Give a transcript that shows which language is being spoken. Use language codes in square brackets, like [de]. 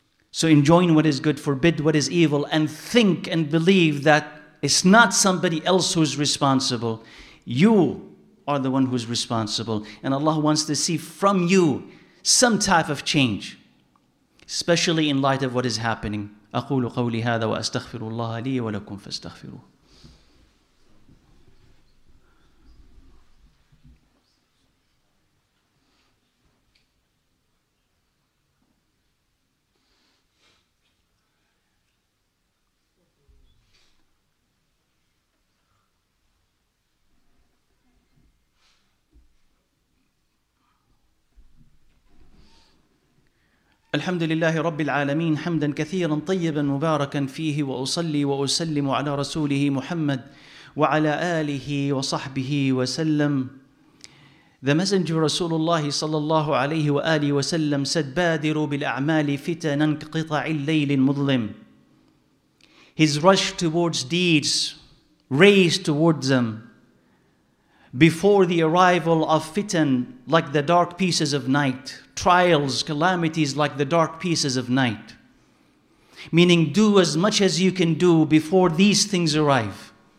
[en] So enjoin what is good, forbid what is evil, and think and believe that it's not somebody else who's responsible. You are the one who's responsible. And Allah wants to see from you some type of change, especially in light of what is happening. [ar] أقول قولي هذا وأستغفر الله لي ولكم فاستغفروه. الحمد لله رب العالمين حمدا كثيرا طيبا مباركا فيه وأصلي وأسلم على رسوله محمد وعلى آله وصحبه وسلم. [en] The messenger of Rasulullah [ar] صلى الله عليه وآله وسلم [en] said, [ar] بادروا بالأعمال فتنا كقطع الليل المظلم. [en] His rush towards deeds raced towards them before the arrival of fitan, like the dark pieces of night, trials, calamities, like the dark pieces of night. Meaning, do as much as you can do before these things arrive.